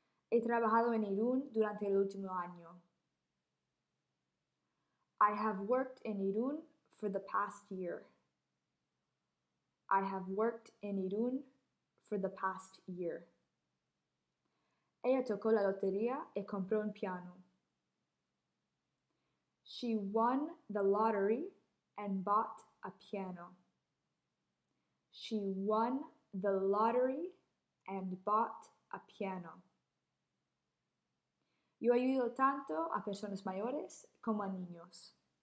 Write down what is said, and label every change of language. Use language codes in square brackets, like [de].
[es] He trabajado en Irún durante el último año. [en] I have worked in Irún for the past year. I have worked in Irún for the past year. [es] Ella tocó la lotería y compró un piano. [en] She won the lottery and bought a piano. She won the lottery and bought a piano. [es] Yo ayudo tanto a personas mayores como a niños.